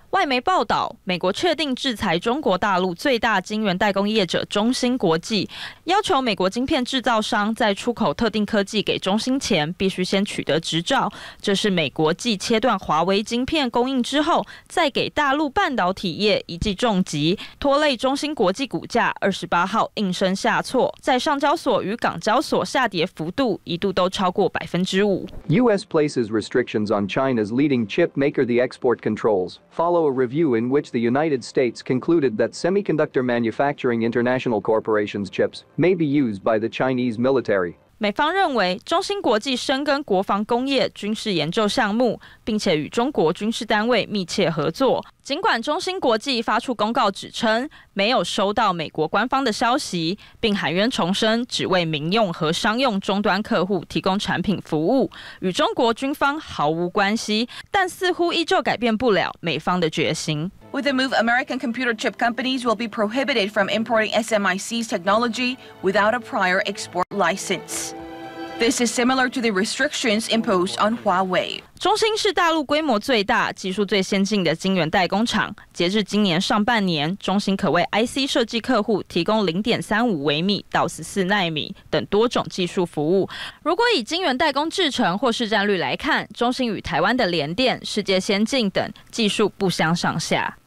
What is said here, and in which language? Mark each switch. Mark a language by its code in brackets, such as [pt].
[zh] 外媒报道，美国确定制裁中国大陆最大晶圆代工业者中芯国际，要求美国晶片制造商在出口特定科技给中芯前，必须先取得执照。这是美国继切断华为晶片供应之后，再给大陆半导体业一记重击，拖累中芯国际股价28号应声下挫，在上交所与港交所下跌幅度一度都超过5%。 [en] U.S. places restrictions on China's leading chip maker the export controls, follow a review in which the United States concluded that Semiconductor Manufacturing International Corporation's chips may be used by the Chinese military. [zh] 美方认为中芯国际深耕国防工业军事研究项目，并且与中国军事单位密切合作。尽管中芯国际发出公告指称没有收到美国官方的消息，并含冤重申只为民用和商用终端客户提供产品服务，与中国军方毫无关系，但似乎依旧改变不了美方的决心。 [en] With the move, American computer chip companies will be prohibited from importing SMIC's technology without a prior export license. This is similar to the restrictions imposed on Huawei. [zh] 中芯是大陆规模最大、技术最先进的晶圆代工厂。截至今年上半年，中芯可为 IC 设计客户提供 0.35 微米到14奈米等多种技术服务。如果以晶圆代工制程或市占率来看，中芯与台湾的联电、世界先进等技术不相上下。